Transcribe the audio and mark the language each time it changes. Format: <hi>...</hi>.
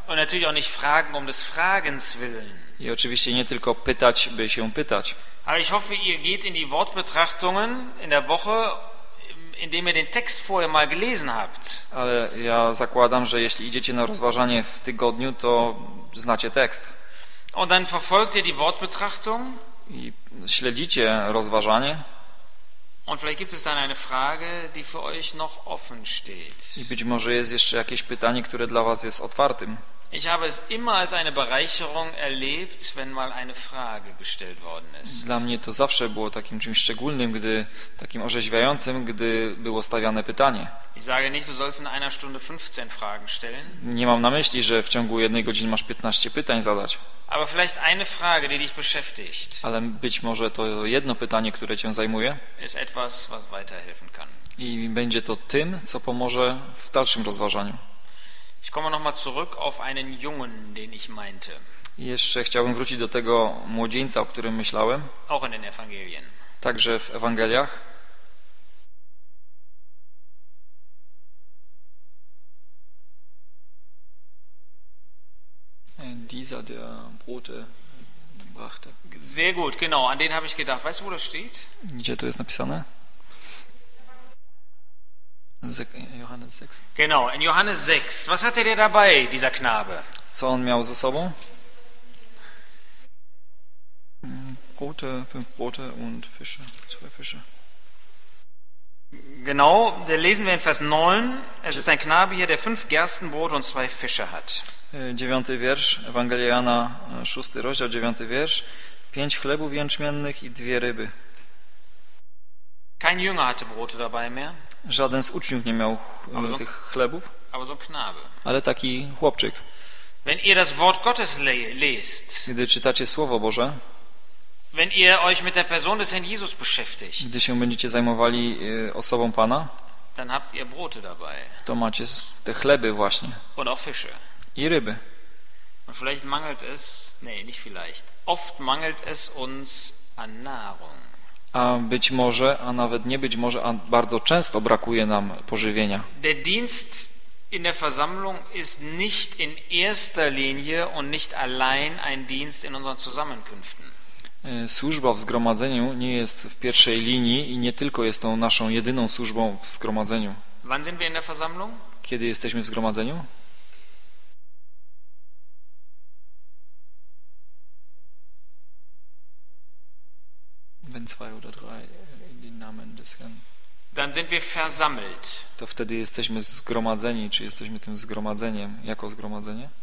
<de>Und natürlich auch nicht fragen um des Fragens willen.</de> <pl>I oczywiście nie tylko pytać, by się pytać.</pl> <de>Aber ich hoffe, ihr geht in die Wortbetrachtungen in der Woche, indem ihr den Text vorher mal gelesen habt.</de> <pl>Ale ja zakładam, że jeśli idziecie na rozważanie w tygodniu, to znacie tekst.</pl> <de>Und dann verfolgt ihr die Wortbetrachtung.</de> <pl>I śledzicie rozważanie.</pl> <de>Und vielleicht gibt es dann eine Frage, die für euch noch offen steht.</de> <pl>I być może jest jeszcze jakieś pytanie, które dla was jest otwartym.</pl> <de>Ich habe es immer als eine Bereicherung erlebt, wenn mal eine Frage gestellt worden ist.</de> <pl>Dla mnie to zawsze było takim czymś szczególnym, gdy takim orzeźwiającym, gdy było stawiane pytanie.</pl> <de>Ich sage nicht, du sollst in einer Stunde 15 Fragen stellen.</de> <pl>Nie mam na myśli, że w ciągu jednej godziny masz 15 pytań zadać.</pl> <de>Aber vielleicht eine Frage, die dich beschäftigt.</de> <pl>Ale być może to jedno pytanie, które cię zajmuje.</pl> <de>Ist etwas, was weiterhelfen kann.</de> <pl>I będzie to tym, co pomoże w dalszym rozważaniu.</pl> <de>Ich komme noch mal zurück auf einen Jungen, den ich meinte.</de> <pl>Jeszcze chciałbym wrócić do tego młodzieńca, o którym myślałem.</pl> <de>Auch in den Evangelien.</de> <pl>Także w Ewangeliach.</pl> <de>Dieser, der Brote brachte. Sehr gut, genau. An den habe ich gedacht. Weißt du, wo das steht?</de> <pl>Gdzie to jest napisane?</pl> <de>Johannes 6. Genau, in Johannes 6. Was hatte der dabei, dieser Knabe?</de> <pl>Co on miał ze sobą?</pl> <de>Brote, fünf Brote und Fische, zwei Fische. Genau, da lesen wir in Vers 9. Es ist ein Knabe hier, der fünf Gerstenbrote und zwei Fische hat.</de> <pl>9. wiersz, Ewangelia Jana, 6. rozdział, 9. wiersz. Pięć chlebów jęczmiennych i dwie ryby.</pl> <de>Kein Jünger hatte Brote dabei mehr.</de> <pl>Żaden z uczniów nie miał tych chlebów, ale taki chłopczyk.</pl> <de>Wenn ihr das Wort Gottes lest,</de> <pl>gdy czytacie Słowo Boże,</pl> <de>wenn ihr euch mit der Person des Herrn Jesus beschäftigt,</de> <pl>gdy się będziecie zajmowali osobą Pana,</pl> <de>dann habt ihr Brote dabei.</de> <pl>To macie te chleby właśnie.</pl> <de>Und auch Fische.</de> <pl>I ryby.</pl> <de>Und vielleicht mangelt es, nee, nicht vielleicht, oft mangelt es uns an Nahrung.</de> <pl>A być może, a nawet nie być może, a bardzo często brakuje nam pożywienia.</pl> <de>Der Dienst in der Versammlung ist nicht in erster Linie und nicht allein ein Dienst in unseren Zusammenkünften.</de> <pl>Służba w zgromadzeniu nie jest w pierwszej linii i nie tylko jest tą naszą jedyną służbą w zgromadzeniu.</pl> <de>Wann sind wir in der Versammlung?</de> <pl>Kiedy jesteśmy w zgromadzeniu?</pl> <de>Wenn zwei oder drei in den Namen des Herrn. Dann sind wir versammelt.</de> <pl>To wtedy jesteśmy zgromadzeni, czy jesteśmy tym zgromadzeniem, jako zgromadzenie?</pl>